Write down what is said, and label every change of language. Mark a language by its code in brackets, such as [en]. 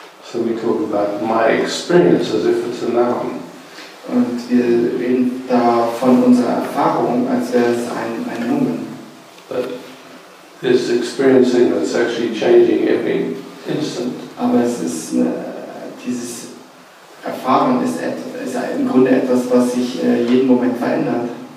[en] So we talk about my experience as if it's a noun. [de] Und wir reden da von unserer Erfahrung, als wäre es ein Nomen. [en] But this experiencing that's actually changing every instant. [de] Aber es ist dieses Erfahren ist im Grunde etwas, was sich jeden Moment verändert.